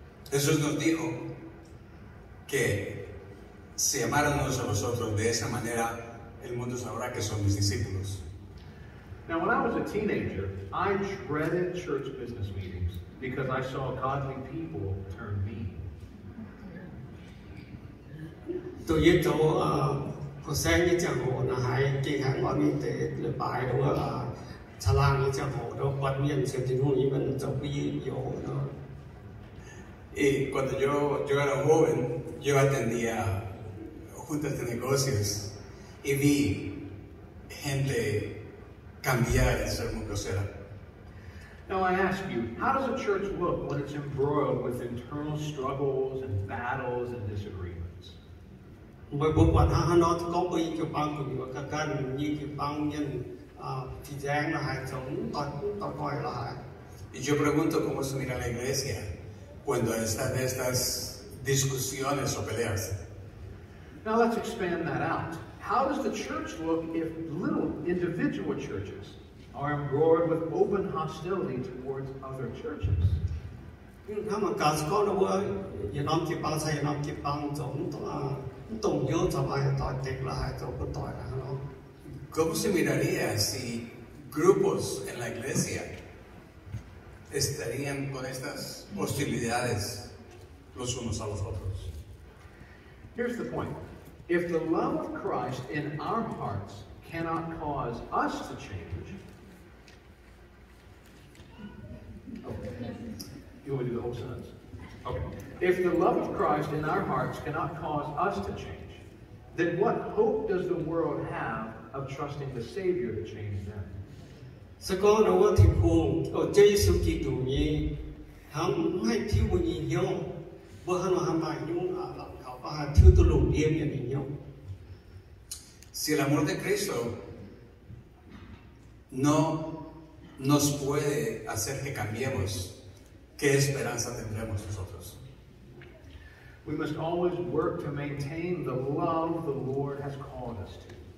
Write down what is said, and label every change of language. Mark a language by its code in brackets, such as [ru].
[es] Jesús nos dijo que si amaran unos a los otros de esa manera, el mundo sabrá que son mis discípulos. [en] Now, when I was a teenager, I dreaded church business meetings because I saw godly people turn mean. [es] Y cuando yo era joven, yo atendía juntas de negocios y vi gente cambiar el sermón grosero. [en] Now I ask you, how does a church look when it's embroiled with internal struggles and battles and disagreements? How [es] Y yo pregunto cómo se mira la iglesia cuando están estas discusiones o peleas. [en] Now let's expand that out. How does the church look if little individual churches are embroiled with open hostility towards other churches? [es] ¿Cómo se miraría si grupos en la iglesia estarían con estas hostilidades los unos a los otros? [en] Here's the point. If the love of Christ in our hearts cannot cause us to change, okay. You want to do the whole sentence? Okay. If the love of Christ in our hearts cannot cause us to change, then what hope does the world have of trusting the Savior to change them? [es] Si el amor de Cristo no nos puede hacer que cambiemos, ¿qué esperanza tendremos nosotros? [en] We must always work to maintain the love the Lord has called us to.